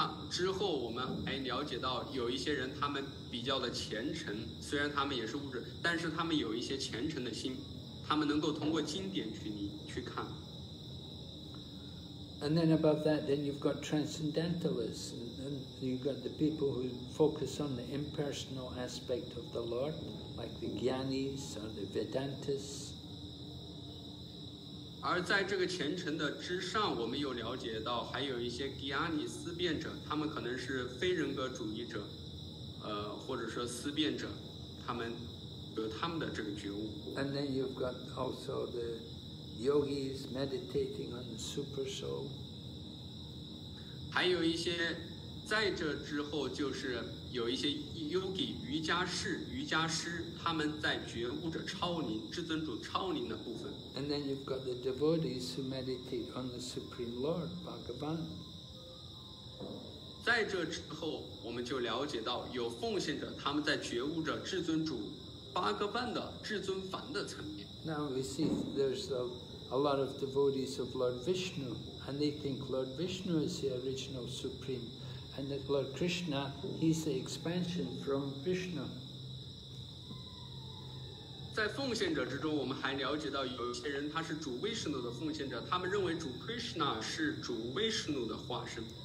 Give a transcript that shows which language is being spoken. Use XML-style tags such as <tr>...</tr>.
<zh>之后我们还了解到有一些人他们比较的虔诚，虽然他们也是物质，但是他们有一些虔诚的心，他们能够通过经典去看。</zh> <en>And then above that, then you've got transcendentalists, and then you've got the people who focus on the impersonal aspect of the Lord, like the Gyanis or the Vedantists.</en> <zh>而在这个虔诚的之上，我们又了解到还有一些迪亚尼思辨者，他们可能是非人格主义者，或者说思辨者，他们有他们的这个觉悟。</zh> <en>And then you've got also the yogis meditating on the super soul.</en> <zh>还有一些，在这之后就是有一些 yogi 瑜伽师，他们在觉悟着超灵、至尊主超灵的部分。</zh> <en>And then you've got the devotees who meditate on the Supreme Lord, Bhagavan.</en> <zh>在这之后我们就了解到有奉献者他们在觉悟着至尊主八个半的至尊凡的层面。</zh> <en>Now we see there's a lot of devotees of Lord Vishnu and they think Lord Vishnu is the original supreme and that Lord Krishna he's the expansion from Vishnu。</en> <zh>在奉献者之中我们还了解到有些人他是主 Vishnu 的奉献者，他们认为主 Krishna 是主 Vishnu 的化身。</zh>